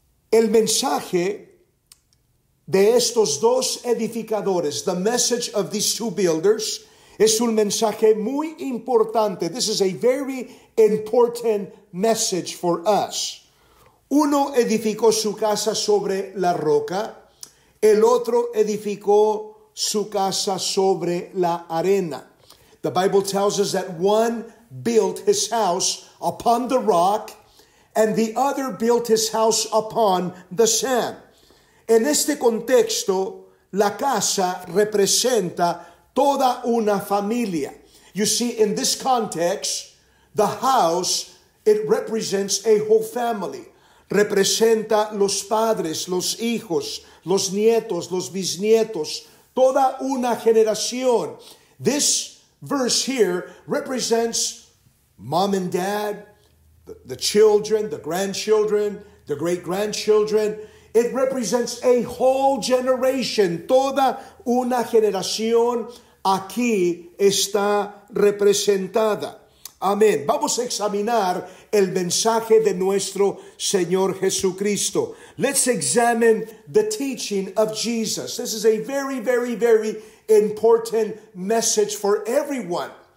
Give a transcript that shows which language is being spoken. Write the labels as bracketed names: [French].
[Spanish] El mensaje de estos dos edificadores, [English] the message of these two builders, [Spanish] es un mensaje muy importante. [English] This is a very important message for us. [Spanish] Uno edificó su casa sobre la roca. El otro edificó su casa sobre la arena. [English] The Bible tells us that one built his house upon the rock and the other built his house upon the sand. [Spanish] En este contexto, la casa representa toda una familia. [English] You see, in this context, the house, it represents a whole family. [Spanish] Representa los padres, los hijos, los nietos, los bisnietos, toda una generación. [English] This verse here represents mom and dad, the children, the grandchildren, the great-grandchildren. It represents a whole generation, [Spanish] toda una generación. Aquí está representada. Amén. Vamos a examinar el mensaje de nuestro Señor Jesucristo. [English] Let's examine the teaching of Jesus. This is a very, very, very important message for everyone.